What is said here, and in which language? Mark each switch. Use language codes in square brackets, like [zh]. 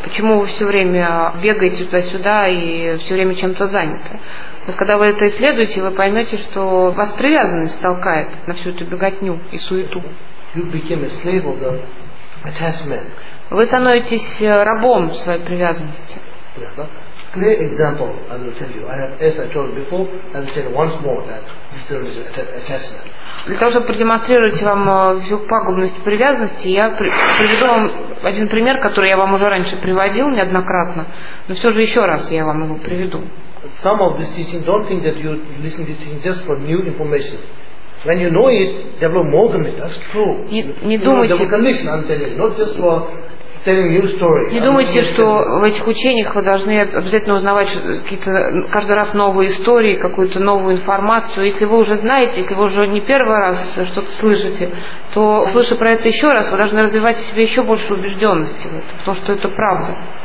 [ru] Почему вы все время бегаете туда-сюда и все время чем-то заняты? Вот когда вы это исследуете, вы поймете, что вас привязанность толкает на всю эту беготню и суету. Вы становитесь рабом своей привязанности. [en] Clear example, I will tell you. I have, as I told you before, I will tell you once more that this is attachment. [ru] Для того, чтобы продемонстрировать вам всю пагубность привязанности, я приведу вам один пример, который я вам уже раньше приводил неоднократно, но все же еще раз я вам его приведу. [en] Some of these teachings, don't think that you listen to these teachings just for new information. When you know it, develop more than it. That's true. [ru] Не думайте. [en] Develop conviction, I'm telling you, not just for. [ru] Не думайте, что в этих учениях вы должны обязательно узнавать какие-то каждый раз новые истории, какую-то новую информацию. Если вы уже знаете, если вы уже не первый раз что-то слышите, то, слыша про это еще раз, вы должны развивать в себе еще больше убежденности в этом, потому что это правда.